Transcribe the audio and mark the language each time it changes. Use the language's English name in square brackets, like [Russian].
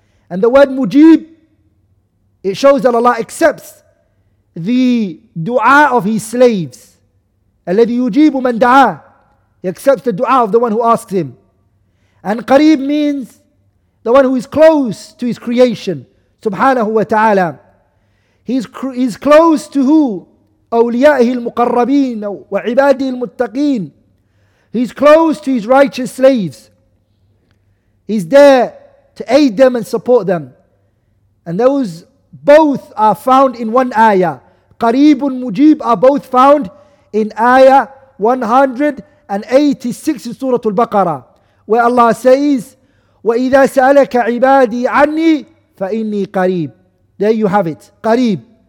[English] And the word Mujib, it shows that Allah accepts the dua of his slaves. [Arabic] الَّذِي يُجِيبُ مَنْ دَعَى. [English] He accepts the dua of the one who asks him. And Qareeb means the one who is close to his creation subhanahu wa ta'ala. He's close to who? [Arabic] أولياءه المقربين وعباده المتقين. [English] He's close to his righteous slaves. He's there to aid them and support them. And those both are found in one ayah. قريب مجيب are both found in ayah 186 in Surah Al-Baqarah, where Allah says, [Arabic] وَإِذَا سَأَلَكَ عِبَادِي عَنِّي فَإِنِّي قَرِيبٌ. [English] There you have it. قريب.